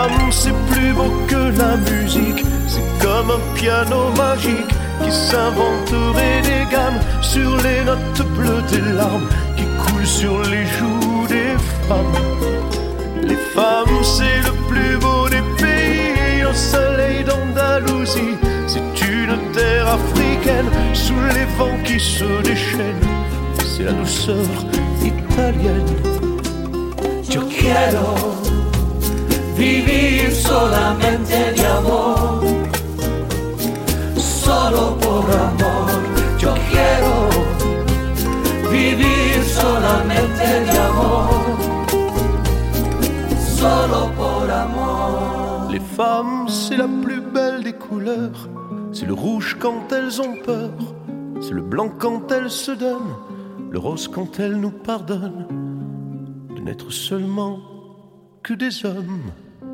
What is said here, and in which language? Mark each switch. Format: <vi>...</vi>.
<fr>C'est plus beau que la musique, c'est comme un piano magique qui s'inventerait des gammes sur les notes bleues des larmes qui coulent sur les joues des femmes. Les femmes, c'est le plus beau des pays, un soleil d'Andalousie. C'est une terre africaine sous les vents qui se déchaînent, c'est la douceur italienne.</fr> <es>Yo quiero vivir solamente de amor, solo por amor. Yo quiero vivir solamente de amor, solo por amor.</es> <fr>Les femmes, c'est la plus belle des couleurs, c'est le rouge quand elles ont peur, c'est le blanc quand elles se donnent, le rose quand elles nous pardonnent de n'être seulement que des hommes.</fr>